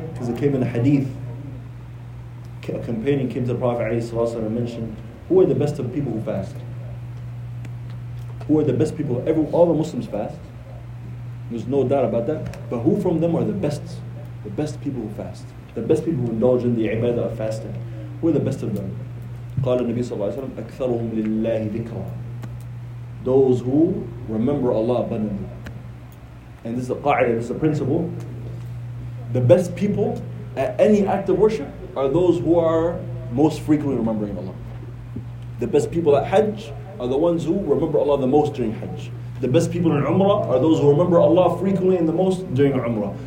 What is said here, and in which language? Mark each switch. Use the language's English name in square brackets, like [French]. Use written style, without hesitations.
[English] Because it came in a hadith. A companion came to the Prophet alayhi salallahu alayhi wa sallam and mentioned, who are the best of people who fast? Who are the best people? All the Muslims fast. There's no doubt about that. But who from them are the best people who fast? The best people who indulge in the ibadah of fasting? Who are the best of them? [Arabic] قال النبي صلى الله عليه وسلم أكثرهم لله ذكرا. [English] Those who remember Allah abundantly. And this is a qa'ida, this is a principle. The best people at any act of worship are those who are most frequently remembering Allah. The best people at Hajj are the ones who remember Allah the most during Hajj. The best people in Umrah are those who remember Allah frequently and the most during Umrah.